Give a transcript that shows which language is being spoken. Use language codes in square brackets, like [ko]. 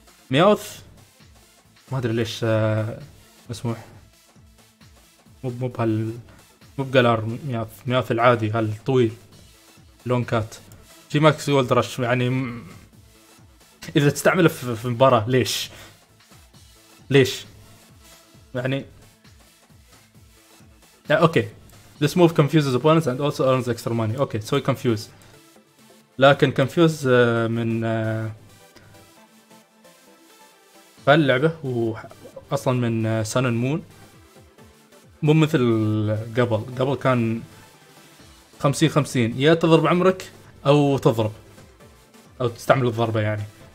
[ar] مياوث ما ادري ليش مسموح، مو بقلار مياوث، مياوث العادي هالطويل لون كات. جي ماكس ولدرش يعني اذا تستعمله في مباراة ليش يعني [en] yeah, okay. This move confuses opponents and also earns extra money. Okay, so you confuse. [ar] لكن confuse من فاللعبة وأصلاً من Sun and Moon. مو مثل قبل كان 50-50 يا تضرب عمرك أو تضرب أو تستعمل الضربة يعني.